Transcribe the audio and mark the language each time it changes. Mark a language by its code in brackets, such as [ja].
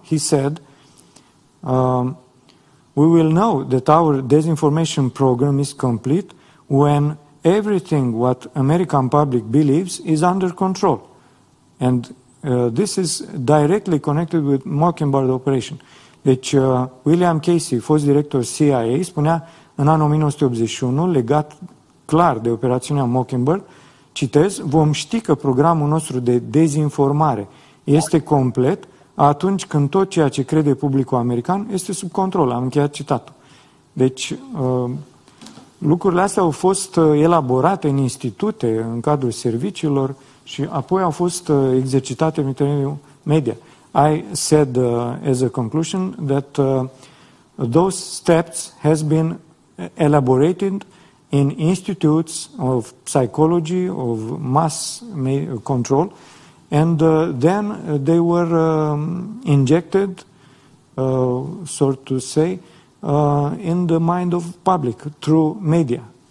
[en] He said, we will know that our disinformation program is complete when everything what American public believes is under control. And this is directly connected with Mockingbird operation. [ro] Deci, William Casey, fost director CIA, spunea în anul 1981, legat clar de operațiunea Mockingbird, citez, vom ști că programul nostru de dezinformare este complet atunci când tot ceea ce crede publicul american este sub control. Am încheiat citatul. Deci, lucrurile astea au fost elaborate în institute, în cadrul serviciilor, și apoi au fost exercitate în interiorul media. [en] I said as a conclusion that those steps has been elaborated in institutes of psychology, of mass control, and then they were injected, so to say, in the mind of public through media.